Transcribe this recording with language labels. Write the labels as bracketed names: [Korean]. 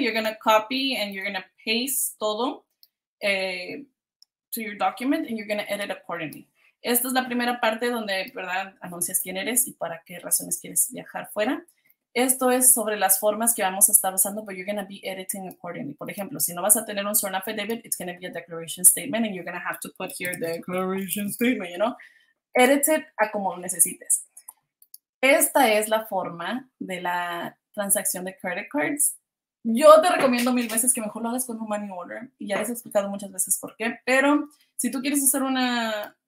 [English] You're going to copy and you're going to paste todo to your document and you're going to edit accordingly. [Spanish] Esta es la primera parte donde, ¿verdad?, anuncias quién eres y para qué razones quieres viajar fuera. Esto es sobre las formas que vamos a estar usando, [English] but you're going to be editing accordingly. [Spanish] Por ejemplo, si no vas a tener un [English] sworn affidavit, it's going to be a declaration statement, and you're going to have to put here the declaration statement, you know? Edit it [Spanish] a como necesites. Esta es la forma de la transacción de credit cards. Yo te recomiendo mil veces que mejor lo hagas con un money order, y ya les he explicado muchas veces por qué, pero si tú quieres hacer una...